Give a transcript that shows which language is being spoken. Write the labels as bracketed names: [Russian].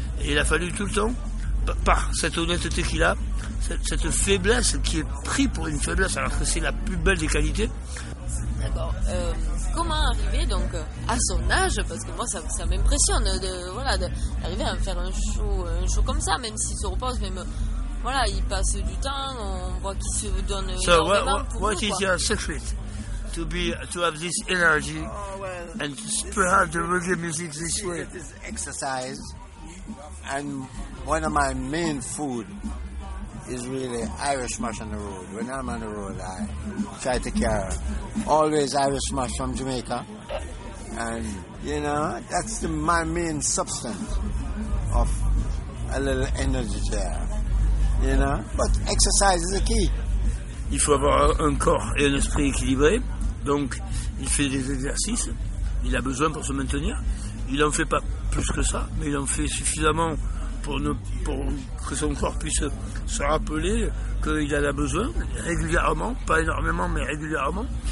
[French] Et il a fallu tout le temps, par cette honnêteté qu'il a, cette faiblesse qui est prise pour une faiblesse, alors que c'est la plus belle des qualités. D'accord. Comment arriver donc à son âge, parce que moi ça m'impressionne d'arriver à faire un show comme ça, même s'il se repose, même voilà, il passe du temps, on voit qu'il se donne énormément. [English] So what is your secret to have this energy and to spread the reggae music this way? It is exercise, and one of my main food is really Irish mash on the road. When I'm on the road, I try to care. Always Irish mash from Jamaica. And, you know, that's my main substance of a little energy there. You know? But exercise is the key. [French] Il faut avoir un corps et un esprit équilibré. Donc, il fait des exercices. Il a besoin pour se maintenir. Il n'en fait pas plus que ça, mais il en fait suffisamment pour que son corps puisse se rappeler qu'il en a besoin régulièrement, pas énormément, mais régulièrement.